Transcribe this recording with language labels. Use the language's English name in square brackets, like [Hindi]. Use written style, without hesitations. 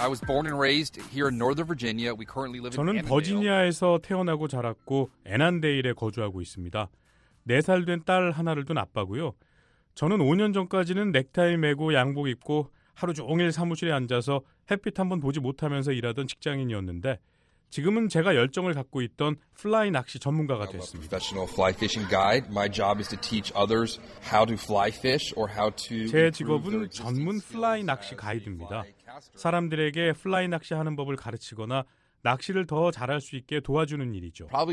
[English] I was born and raised here in Northern Virginia. We currently live in Annandale. [Korean] 저는 버지니아에서 태어나고 자랐고 애난데일에 거주하고 있습니다. 4살 된 딸 하나를 둔 아빠고요. 저는 5년 전까지는 넥타이 메고 양복 입고 하루 종일 사무실에 앉아서 햇빛 한번 보지 못하면서 일하던 직장인이었는데 지금은 제가 열정을 갖고 있던 플라이 낚시 전문가가 됐습니다. [English] My job is to teach others how to fly fish or how to [Korean] 제 직업은 전문 플라이 낚시 가이드입니다. 사람들에게 플라이 낚시 하는 법을 가르치거나 낚시를 더 잘할 수 있게 도와주는 일이죠.